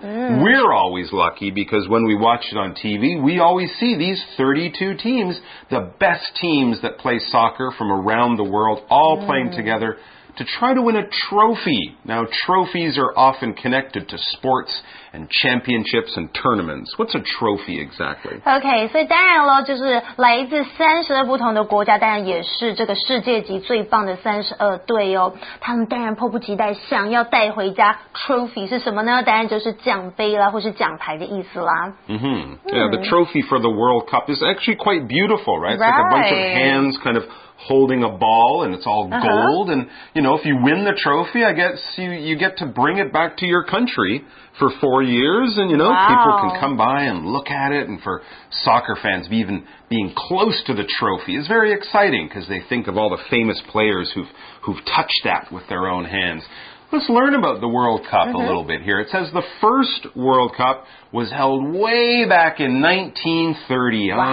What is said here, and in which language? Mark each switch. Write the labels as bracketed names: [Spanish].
[English] We're always lucky because when we watch it on TV, we always see these 32 teams, the best teams that play soccer from around the world, all playing together to try to win a trophy. Now, trophies are often connected to sports and championships and tournaments. What's a trophy exactly? [Chinese] Okay, 所以当然了，就是来自32不同的国家，当然也是这个世界级最棒的32队哦。他们当然迫不及待想要带回家 trophy 是什么呢？当然就是奖杯啦，或是奖牌的意思啦。 [English] Yeah, the trophy for the World Cup is actually quite beautiful, right? It's like a bunch of hands kind of... holding a ball and it's all gold and you know if you win the trophy I guess you get to bring it back to your country for 4 years and you know people can come by and look at it and for soccer fans even being close to the trophy is very exciting because they think of all the famous players who've touched that with their own handsLet's learn about the World Cup a little bit here. It says the first World Cup was held way back in 1930.